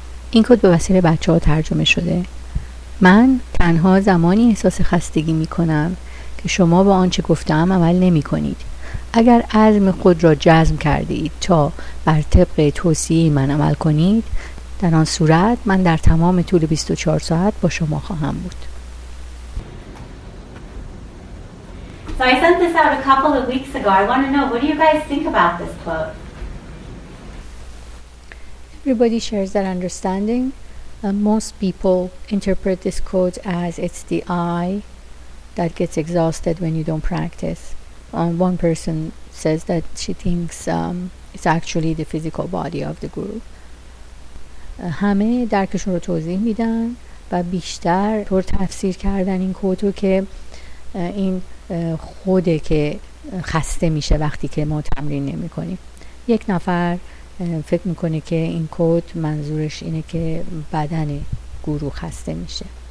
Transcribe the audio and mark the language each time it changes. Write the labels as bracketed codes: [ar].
[fa] این کد به وسیله بچه ها ترجمه شده. من تنها زمانی احساس خستگی می کنم که شما با آنچه گفتم عمل نمی کنید. اگر عزم خود را جزم کرده اید تا بر طبق توصیه من عمل کنید، در آن صورت من در تمام طول 24 ساعت با شما خواهم بود. [en] So I sent this out a couple of weeks ago. I want to know, what do you guys think about this quote? Everybody shares that understanding. Most people interpret this quote as it's the I that gets exhausted when you don't practice. One person says that she thinks it's actually the physical body of the guru. [fa] همه درکشون رو توضیح میدن و بیشتر طور تفسیر کردن این کوت رو که این خوده که خسته میشه وقتی که ما تمرین نمی کنیم. یک نفر فکر میکنه که این کود منظورش اینه که بدن گروه خسته میشه.